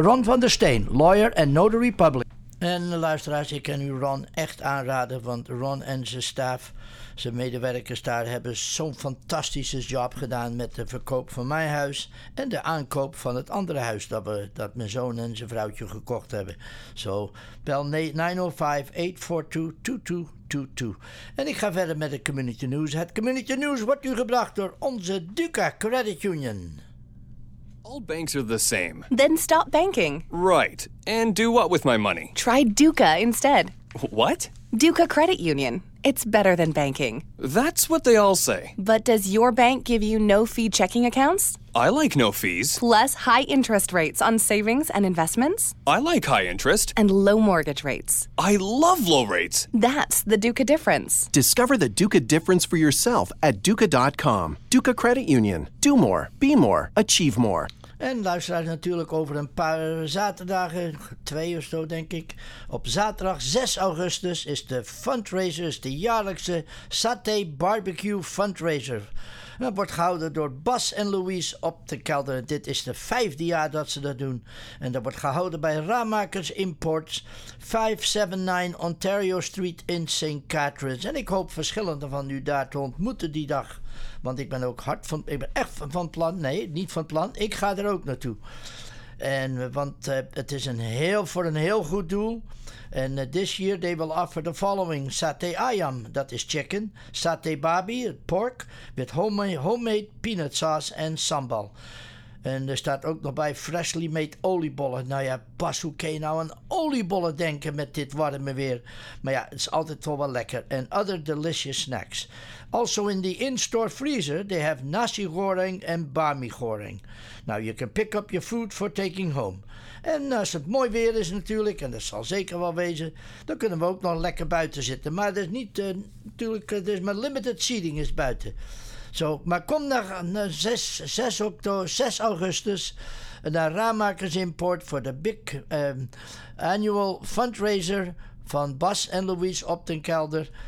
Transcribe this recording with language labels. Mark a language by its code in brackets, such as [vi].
[en] Ron van der Steen, lawyer and notary public. [nl] En luisteraars, ik kan u Ron echt aanraden, want Ron en zijn staf, zijn medewerkers daar, hebben zo'n fantastische job gedaan met de verkoop van mijn huis en de aankoop van het andere huis dat mijn zoon en zijn vrouwtje gekocht hebben. Zo, bel 905-842-2222. En ik ga verder met het Community News. Het Community News wordt u gebracht door onze Duca Credit Union. [en] All banks are the same. Then stop banking. Right. And do what with my money? Try Duca instead. What? Duca Credit Union. It's better than banking. That's what they all say. But does your bank give you no-fee checking accounts? I like no fees. Plus high interest rates on savings and investments? I like high interest. And low mortgage rates? I love low rates. That's the Duca difference. Discover the Duca difference for yourself at Duca.com. Duca Credit Union. Do more. Be more. Achieve more. [nl] En luisteraars, natuurlijk over een paar zaterdagen, twee of zo denk ik. Op zaterdag 6 augustus is de fundraisers, de jaarlijkse Saté Barbecue Fundraiser. Dat wordt gehouden door Bas en Louise op de kelder. Dit is de vijfde jaar dat ze dat doen. En dat wordt gehouden bij Ramakers Imports, 579 Ontario Street in St. Catharines. En ik hoop verschillende van u daar te ontmoeten die dag. Want ik ben ook hard van, ik ben echt van plan, nee, niet van plan, ik ga er ook naartoe. En want het is een heel, voor een heel goed doel. [en] En this year they will offer the following: saté ayam, [nl] dat is [en] chicken, saté babi, pork, with homemade peanut sauce en sambal. [nl] En er staat ook nog bij [en] freshly made [nl] oliebollen. Nou ja, pas hoe kan je nou aan oliebollen denken met dit warme weer? Maar ja, het is altijd toch wel lekker. [en] En other delicious snacks. Also in the in-store freezer, they have nasi goreng en bami goreng. Now you can pick up your food for taking home. [nl] En als het mooi weer is natuurlijk, en dat zal zeker wel wezen, dan kunnen we ook nog lekker buiten zitten. Maar er is niet, natuurlijk, er is maar [en] limited seating [nl] is buiten. Zo, maar kom naar 6 augustus naar Ramakers Import voor de [en] big annual fundraiser [nl] van Bas en Louise Optenkelder.